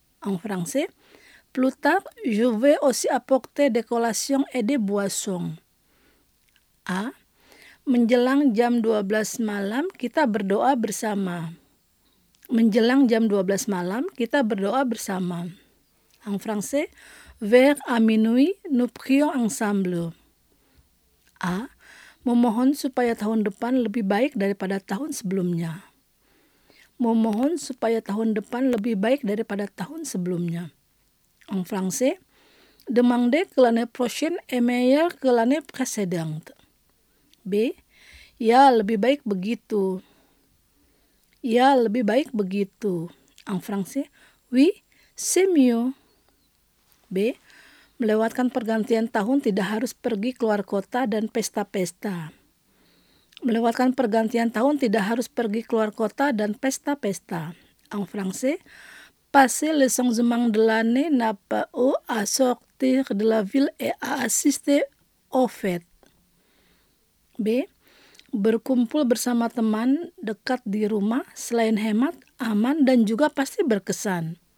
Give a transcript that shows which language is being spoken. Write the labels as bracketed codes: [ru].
[fr] En français, plus tard, je vais aussi apporter des collations et des boissons. A. [id] Menjelang jam 12 malam, kita berdoa bersama. Menjelang jam 12 malam, kita berdoa bersama. [fr] En français, vers à minuit, nous prions ensemble. A. [id] Memohon supaya tahun depan lebih baik daripada tahun sebelumnya. Memohon supaya tahun depan lebih baik daripada tahun sebelumnya. [fr] En français, demandez que l'année prochaine est meilleure que l'année précédente. B. [id] Ya, lebih baik begitu. Ya, lebih baik begitu. [fr] En français, oui, c'est mieux. B. [id] Melewatkan pergantian tahun tidak harus pergi keluar kota dan pesta-pesta. Melewatkan pergantian tahun tidak harus pergi keluar kota dan pesta-pesta. [fr] En français, passer les changements de l'année n'a pas eu à sortir de la ville et à assister aux fêtes. [id] B. Berkumpul bersama teman dekat di rumah selain hemat, aman dan juga pasti berkesan.